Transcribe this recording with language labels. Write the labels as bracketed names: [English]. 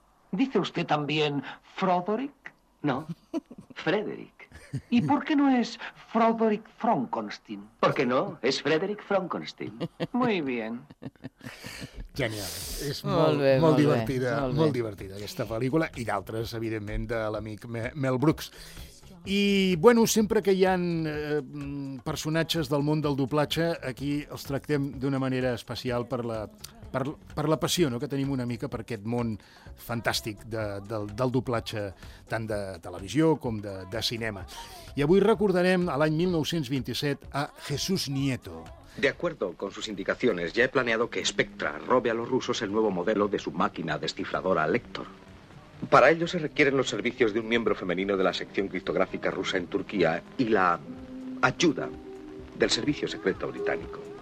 [Spanish] ¿Dice usted también Froderick? No, Frederick. ¿Y por qué no es Froderick Frankenstein? ¿Por qué no? Es Frederick Frankenstein. Muy bien. Genial. [Catalan] És molt divertida aquesta pel·lícula i d'altres, evidentment, de l'amic Mel Brooks. I, bueno, sempre que hi ha personatges del món del doblatge, aquí els tractem d'una manera especial per la passió, no?, que tenim una mica per aquest món fantàstic del doblatge, tant de televisió com de cinema. I avui recordarem l'any 1927 a Jesús Nieto. [Spanish] De acuerdo con sus indicaciones, ya he planeado que Spectra robe a los rusos el nuevo modelo de su máquina descifradora Lector. Para ello se requieren los servicios de un miembro femenino de la sección criptográfica rusa en Turquía y la ayuda del servicio secreto británico.